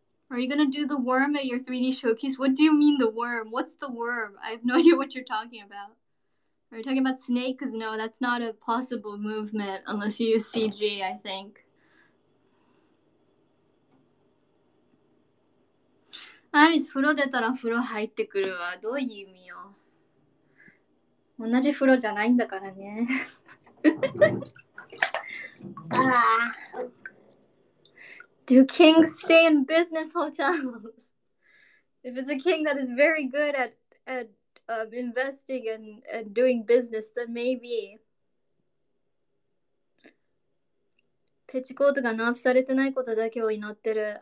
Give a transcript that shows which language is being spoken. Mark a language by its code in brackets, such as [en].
[en] Are you gonna do the worm at your 3D showcase? What do you mean the worm? What's the worm? I have no idea what you're talking about. Are you talking about snake? Because no, that's not a possible movement unless you use CG, I think. [ja] アリス、風呂出たら風呂入ってくるわ。どういう意味よ。同じ風呂じゃないんだからね。 [en] ああ。Do kings stay in business hotels? If it's a king that is very good at investing and doing business, then maybe. [ja] ペチコートがナーフされてないことだけを祈ってる。